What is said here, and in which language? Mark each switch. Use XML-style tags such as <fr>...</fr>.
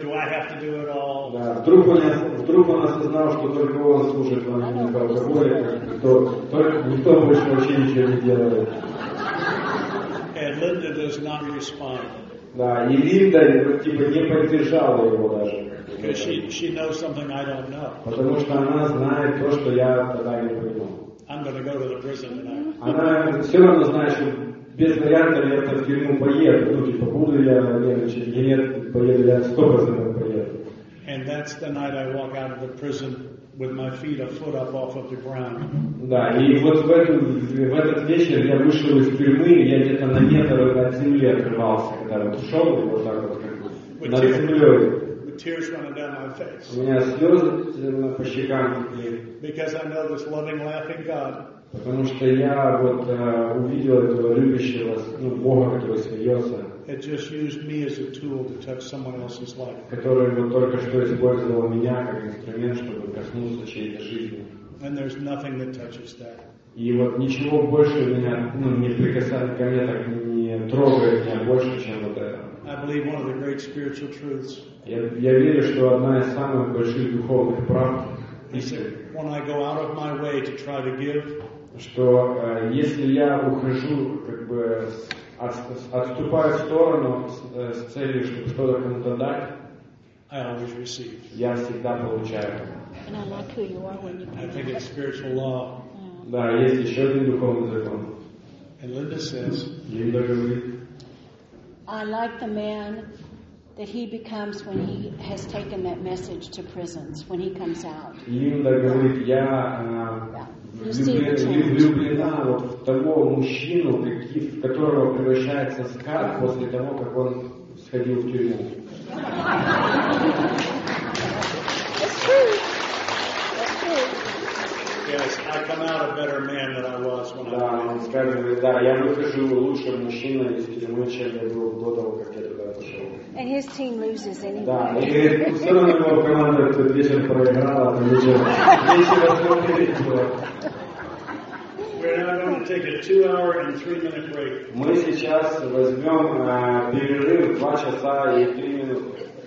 <en>Do I have to do it all? And Linda does not respond. Because she knows something I don't know.</en> <ru>Потому что она знает то, что я тогда не понимал.</ru> <en>I'm going to go to the prison tonight.</en> <ru>Она все равно знает, что без вариантов я в тюрьму поеду. Ну, типа, буду я, поеду, я 100% поеду.</ru> <en>And that's the night I walk out of the prison with my feet a foot up off of the ground.</en> <ru>Да, и вот в этот вечер я вышел из тюрьмы, я где-то на метр от земли открывался, когда вот шел, и вот так вот, над землей.</ru> <en>Tears running down my face.</en> <ru>У меня слезы по щекам текли.</ru> <en>Because I know this loving, laughing God.</en> <ru>Потому что я вот увидел этого любящего, ну, Бога, который смеется.</ru> <en>It just used me as a tool to touch someone else's life.</en> <ru>Который вот только что использовал меня как инструмент, чтобы коснуться чьей-то жизни.</ru> <en>And there's nothing that touches that.</en> <ru>И вот ничего больше меня, ну, не прикасается ко мне, так не трогает меня больше, чем вот это.</ru> <en>I believe one of the great spiritual truths.</en> <ru>Я верю, что одна из самых больших духовных прав,</ru> <en>when I go out of my way to try to give,</en> <ru>что если я ухожу, как бы отступаю в сторону с целью, чтобы что-то кому-то дать,</ru> <en>I always receive.</en> <ru>Я всегда получаю.</ru> <en>And I like who you are when you pray. I think it's spiritual law.</en> <ru>Да, есть еще один духовный закон.</ru> <en>And Linda says,</en> <ru>Linda говорит,</ru> <en>I like the man that he becomes when he has taken that message to prisons, when he comes out.</en> <ru>Linda говорит, я влюблена вот в того мужчину, в которого превращается скар после того, как он сходил в тюрьму.</ru> <en>Yes, I come out a better man than I was when</en> <ru>да,</ru> <en>I was.</en> <ru>Скажет, да, я выхожу лучшим мужчиной из тюрьмы, чем я был до того, как я туда пошел.</ru> <en>And his team loses anyway.</en> <ru>Да, и все равно его команда этот вечер проиграла, но вечер</ru> <en>We're now going to take a 2-hour and 3-minute break.</en> <ru>Мы сейчас возьмем перерыв 2 часа и 3 минуты.</ru>